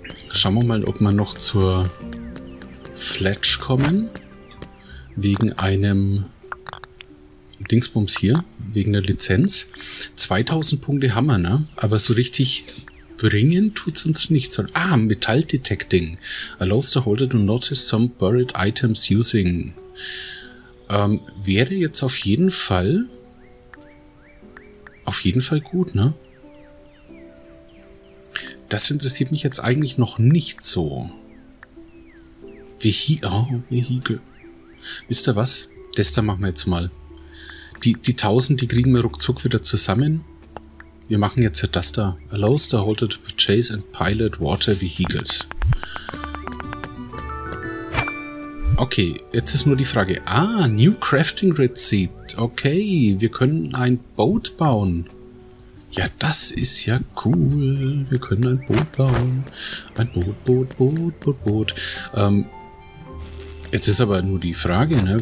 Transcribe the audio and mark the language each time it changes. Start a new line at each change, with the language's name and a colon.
German: Schauen wir mal, ob wir noch zur Fletch kommen. Wegen einem Dingsbums hier, wegen der Lizenz. 2000 Punkte haben wir, ne? Aber so richtig bringen tut es uns nichts. Ah, Metall Detecting.
English: Allows the holder to notice some buried items using.
German: Wäre jetzt auf jeden Fall gut, ne? Das interessiert mich jetzt eigentlich noch nicht so. Vehicle. Wisst ihr was? Das da machen wir jetzt mal. Die 1000, die kriegen wir ruckzuck wieder zusammen. Wir machen jetzt das da.
English: Allows the holder to purchase and pilot water vehicles.
German: Okay, jetzt ist nur die Frage. Ah,
English: new crafting receipt.
German: Okay, wir können ein Boot bauen. Ja, das ist ja cool. Wir können ein Boot bauen. Ein Boot, Boot, Boot, Boot, Boot. Jetzt ist aber nur die Frage, ne?